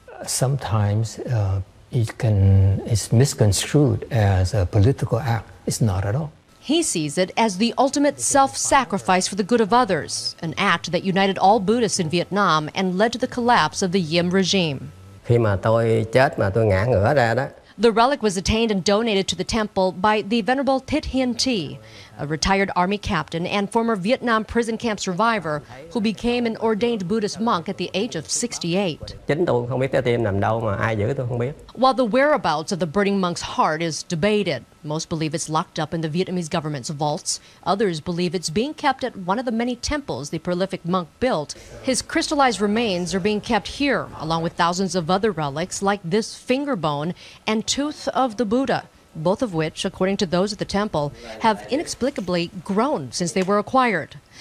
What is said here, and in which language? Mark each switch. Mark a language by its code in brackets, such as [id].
[en] Sometimes it's misconstrued as a political act. It's not at all. He sees it as the ultimate self-sacrifice for the good of others, an act that united all Buddhists in Vietnam and led to the collapse of the Diem regime. [vi] Khi mà tôi chết mà tôi ngã ngửa ra đó. [en] The relic was attained and donated to the temple by the venerable Thich Hien Thi, a retired army captain and former Vietnam prison camp survivor who became an ordained Buddhist monk at the age of 68. [vi] Chính tôi không biết cái tim nằm đâu mà ai giữ tôi không biết. [en] While the whereabouts of the burning monk's heart is debated, most believe it's locked up in the Vietnamese government's vaults. Others believe it's being kept at one of the many temples the prolific monk built. His crystallized remains are being kept here, along with thousands of other relics like this finger bone and tooth of the Buddha, both of which, according to those at the temple, have inexplicably grown since they were acquired.